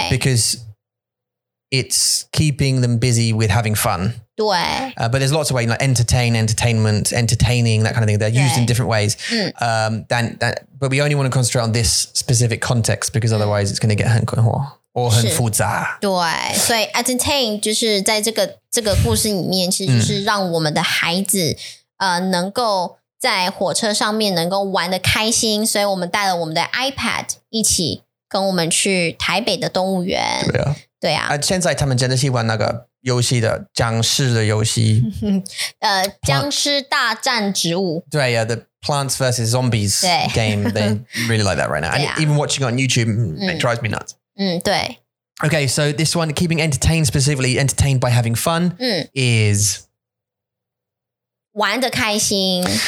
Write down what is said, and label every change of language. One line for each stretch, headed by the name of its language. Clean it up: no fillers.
English: Because it's keeping them busy with having fun.
Chinese: 对。
English: But there's lots of ways, like entertain, entertainment, entertaining, that kind of thing. They're used in different ways. But we only want to concentrate on this specific context because otherwise it's going to get
Chinese: 很困惑。
English: or
Chinese: 很复杂。对, 所以 entertain 就是在这个故事里面 其实就是让我们的孩子 能够在火车上面能够玩得开心 所以我们带了我们的iPad 一起跟我们去台北的动物园对啊, 对啊。现在他们真的是玩那个游戏的僵尸的游戏僵尸大战植物对啊,
English: yeah, the Plants vs. Zombies game They really like that right now And even watching on YouTube It drives me nuts
Chinese: 嗯,对。
English: Okay, so this one, keeping entertained specifically, entertained by having fun, is...
Chinese: 玩得开心。